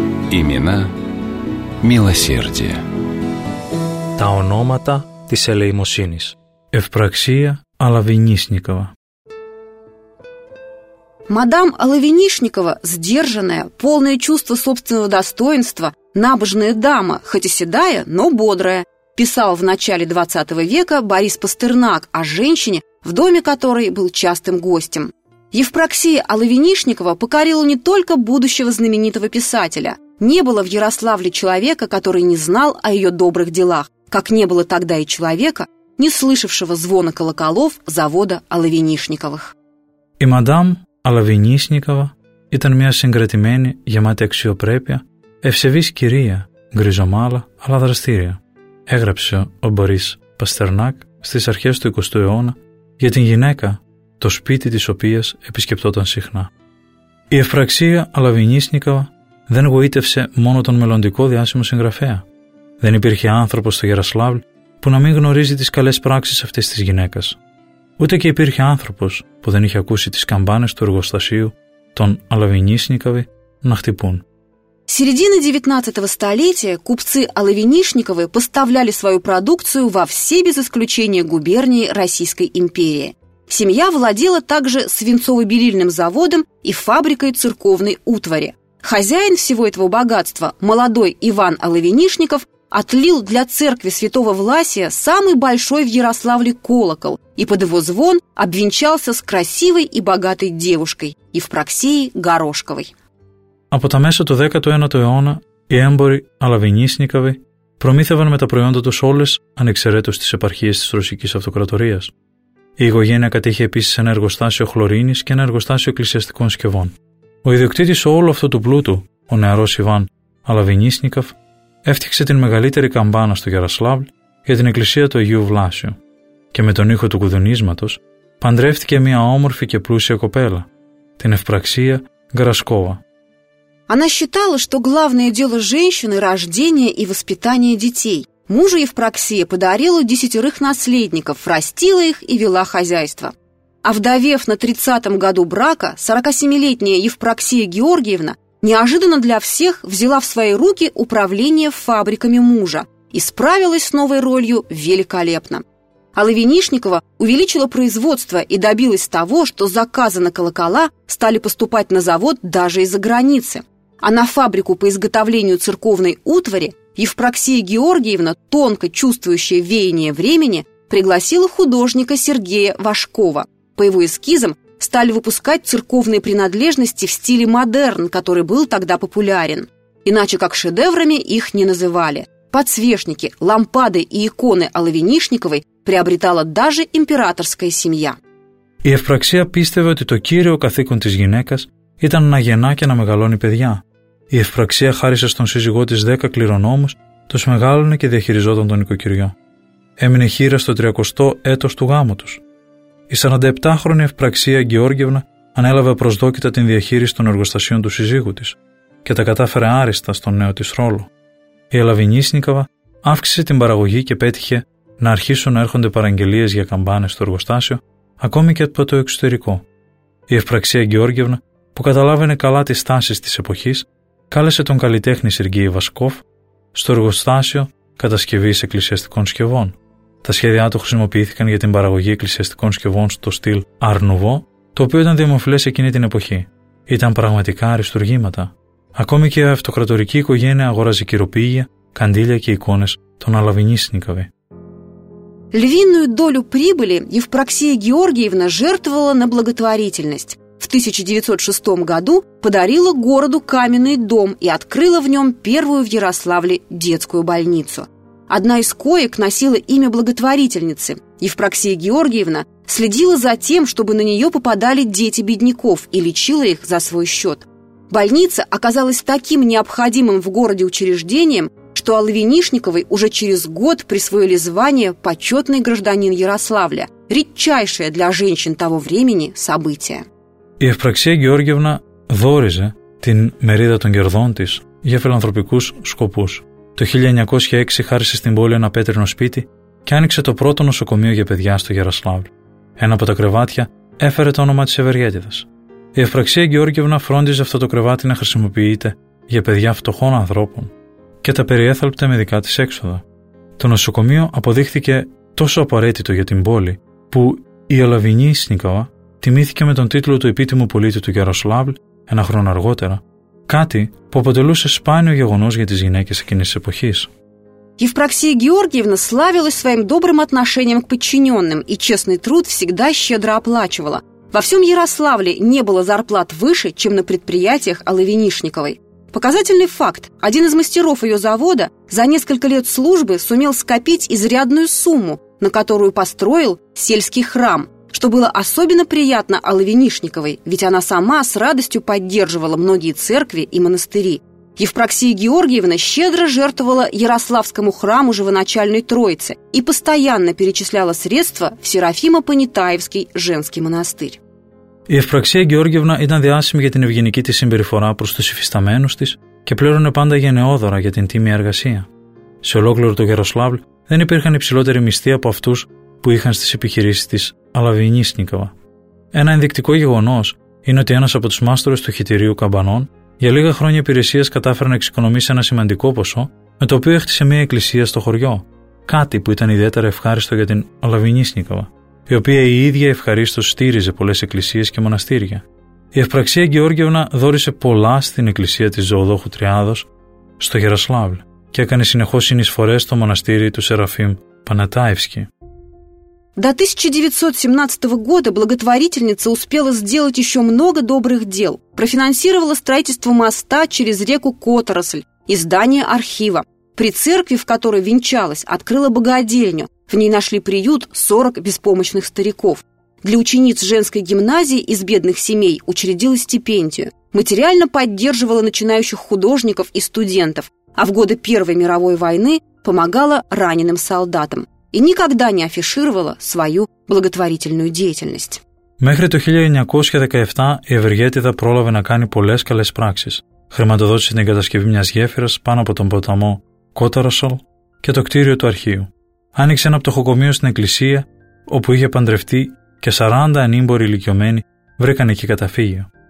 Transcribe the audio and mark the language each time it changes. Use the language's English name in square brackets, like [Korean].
[Russian] Имена милосердия. [Greek] Τα ονόματα της ελεημοσύνης. Ευπραξία Алавинишникова. [Russian] Мадам Алавинишникова, сдержанная, полная чувства собственного достоинства, набожная дама, хоть и седая, но бодрая, писал в начале 20 века Борис Пастернак о женщине, в доме которой был частым гостем. Евпраксия Алавинишникова покорила не только будущего знаменитого писателя. Не было в Ярославле человека, который не знал о ее добрых делах, как не было тогда и человека, не слышавшего звона колоколов завода Алавинишниковых. [Greek] И мадам Алавинишникова ήταν μια συγκρατημένη, γεμάτη αξιοπρέπεια, ευσεβής κυρία, γκριζομάλα, αλλά δραστήρια. Έγραψε ο Μπορίς Παστερνάκ στις αρχές του 20ου αιώνα για την γυναίκα, το σπίτι της οποίας επισκεπτόταν συχνά. Η Ευπραξία Αλαβινίσνικαβα δεν γοήτευσε μόνο τον μελλοντικό διάσημο συγγραφέα. Δεν υπήρχε άνθρωπος στο Γερασλάβλ που να μην γνωρίζει τις καλές πράξεις αυτής της γυναίκας. Ούτε και υπήρχε άνθρωπος που δεν είχε ακούσει τις καμπάνες του εργοστασίου των Αλαβινίσνικαβη να χτυπούν. [Russian] Середины 19-го столетия купцы Алавинишниковы поставляли свою продукцию во все без исключения губернии Российской империи. Семья владела также свинцово-белильным заводом и фабрикой церковной утвари. Хозяин всего этого богатства, молодой Иван Алавинишников, отлил для церкви святого Власия самый большой в Ярославле колокол и под его звон обвенчался с красивой и богатой девушкой Евпраксией Горошковой. [Greek] Από τα μέσα του 19ου αιώνα, οι έμποροι Αλαβινίσνικαβοι προμήθευαν με τα προϊόντα τους όλες ανεξαιρέτως τις επαρχίες της Ρωσικής Αυτοκρατορίας. Η οικογένεια κατέχει επίσης ένα εργοστάσιο χλωρίνης και ένα εργοστάσιο εκκλησιαστικών συσκευών. Ο ιδιοκτήτης όλου αυτού του πλούτου, ο νεαρός Ιβάν Αλαβινίσνικαβ, έφτιαξε την μεγαλύτερη καμπάνα στο Γιαροσλάβλ για την εκκλησία του Αγίου Βλάσιου. Και με τον ήχο του κουδουνίσματος παντρεύτηκε μια όμορφη και πλούσια κοπέλα, την Ευπραξία Γκρασκόβα. [Russian] Она считала, что главное дело женщины – рождение и воспитание детей. Мужу Евпраксия подарила 10 наследников, растила их и вела хозяйство. Овдовев на 30-м году брака, 47-летняя Евпраксия Георгиевна неожиданно для всех взяла в свои руки управление фабриками мужа и справилась с новой ролью великолепно. Алавинишникова увеличила производство и добилась того, что заказы на колокола стали поступать на завод даже из-за границы. А на фабрику по изготовлению церковной утвари Евпраксия Георгиевна, тонко чувствующая веяние времени, пригласила художника Сергея Вашкова. По его эскизам стали выпускать церковные принадлежности в стиле модерн, который был тогда популярен. Иначе как шедеврами их не называли. Подсвечники, лампады и иконы Алавинишниковой приобретала даже императорская семья. [Greek] И Евпраксия пистеве, что то кирио каθήκον της γυναίκας ήταν να γεννά και να μεγαλώνει παιδιά. Η Ευπραξία χάρισε στον σύζυγό της 10 κληρονόμους, τους μεγάλωνε και διαχειριζόταν τον οικοκυριό. Έμεινε χείρα στο 30ο έτος του γάμου τους. Η 47χρονη Ευπραξία Γεώργιευνα ανέλαβε προσδόκητα την διαχείριση των εργοστασίων του σύζυγου της και τα κατάφερε άριστα στον νέο της ρόλο. Η Αλαβινίσνικαβα αύξησε την παραγωγή και πέτυχε να αρχίσουν να έρχονται παραγγελίες για καμπάνες στο εργοστάσιο, ακόμη και από το εξωτερικό. Η Ευπραξία Γεώργιευνα που καταλάβαινε καλά τις τάσεις της εποχής, κάλεσε τον καλλιτέχνη Σεργέη Βασκόφ στο εργοστάσιο κατασκευής εκκλησιαστικών σκευών. Τα σχέδιά του χρησιμοποιήθηκαν για την παραγωγή εκκλησιαστικών σκευών στο στυλ Art Nouveau, το οποίο ήταν δημοφιλές εκείνη την εποχή. Ήταν πραγματικά αριστουργήματα. Ακόμη και η αυτοκρατορική οικογένεια αγόραζε κυροπήγια, καντήλια και εικόνες των Αλαβινίσνικαβε. [Russian] Львиную долю прибыли Евпраксия Георгиевна жертвовала на благотворительность. В 1906 году подарила городу каменный дом и открыла в нем первую в Ярославле детскую больницу. Одна из коек носила имя благотворительницы. Евпраксия Георгиевна следила за тем, чтобы на нее попадали дети бедняков и лечила их за свой счет. Больница оказалась таким необходимым в городе учреждением, что Алвинишниковой уже через год присвоили звание «Почетный гражданин Ярославля» – редчайшее для женщин того времени событие. [Greek] Η Ευπραξία Γεώργιευνα δόριζε την μερίδα των κερδών της για φιλανθρωπικούς σκοπούς. Το 1906 χάρισε στην πόλη ένα πέτρινο σπίτι και άνοιξε το πρώτο νοσοκομείο για παιδιά στο Γεραστλάβλ. Ένα από τα κρεβάτια έφερε το όνομα της Ευεργέτιδας. Η Ευπραξία Γεώργιευνα φρόντιζε αυτό το κρεβάτι να χρησιμοποιείται για παιδιά φτωχών ανθρώπων και τα περιέθαλπτε με δικά της έξοδα. Το νοσοκομείο αποδείχθηκε τόσο απαραίτητο για την πόλη που η Αλαβινίσνικαβα τιμήθηκε με τον τίτλο του επίτιμου πολίτη του Γεροσλάβλ ένα χρόνο αργότερα, κάτι που αποτελούσε σπάνιο γεγονός για τις γυναίκες εκείνης της εποχής. [Russian] Η Ευπραξία Γεώργιευνα славилась своим добрым отношением к подчиненным и честный труд всегда щедро оплачивала. Во всем Ярославле не было зарплат выше, чем на предприятиях Алавинишниковой. Показательный факт. Один из мастеров ее завода за несколько лет службы сумел скопить изрядную сумму, на которую построил сельский храм, что было особенно приятно Алавинишниковой, ведь она сама с радостью поддерживала многие церкви и монастыри. Евпраксия Георгиевна щедро жертвовала Ярославскому храму Живоначальной Троицы и постоянно перечисляла средства в Серафимо-Понятаевский женский монастырь. [Greek] Η Ευπραξία Γεώργιευνα ήταν διάσημη για την ευγενική της συμπεριφορά προς τους υφισταμένους της και πλέον πάντα γενναιόδωρα για την τίμια εργασία. Σε ολόκληρο το Γεροσλάβλ δεν υπήρχαν υψηλότεροι μισθοί από αυτούς που είχαν στις επιχειρήσεις της Αλαβινίσνικαβα. Ένα ενδεικτικό γεγονός είναι ότι ένας από τους μάστορες του χιτηρίου καμπανών για λίγα χρόνια υπηρεσίας κατάφερε να εξοικονομήσει ένα σημαντικό ποσό με το οποίο έχτισε μια εκκλησία στο χωριό. Κάτι που ήταν ιδιαίτερα ευχάριστο για την Αλαβινίσνικαβα, η οποία η ίδια ευχαρίστως στήριζε πολλές εκκλησίες και μοναστήρια. Η Ευπραξία Γεώργιευνα δόρισε πολλά στην εκκλησία της Ζωοδόχου Τριάδος στο Γεροσλάβλ και έκανε συνεχώς συνεισφορές στο μοναστήρι του Σεραφείμ Πανατάευσκι. [Russian] До 1917 года благотворительница успела сделать еще много добрых дел. Профинансировала строительство моста через реку Которосль и здание архива. При церкви, в которой венчалась, открыла богадельню. В ней нашли приют 40 беспомощных стариков. Для учениц женской гимназии из бедных семей учредила стипендию. Материально поддерживала начинающих художников и студентов. А в годы Первой мировой войны помогала раненым солдатам. И никогда не афишировала свою благотворительную деятельность. [Greek] Μέχρι το 1917 η Ευεργέτιδα πρόλαβε να κάνει πολλές καλές πράξεις. Χρηματοδότησε την κατασκευή μιας γέφυρας πάνω από τον ποταμό Κόταρασολ και το κτίριο του αρχείου. Άνοιξε ένα πτωχοκομείο στην εκκλησία όπου είχε παντρευτεί και 40 ανήμποροι ηλικιωμένοι βρήκαν εκεί καταφύγιο.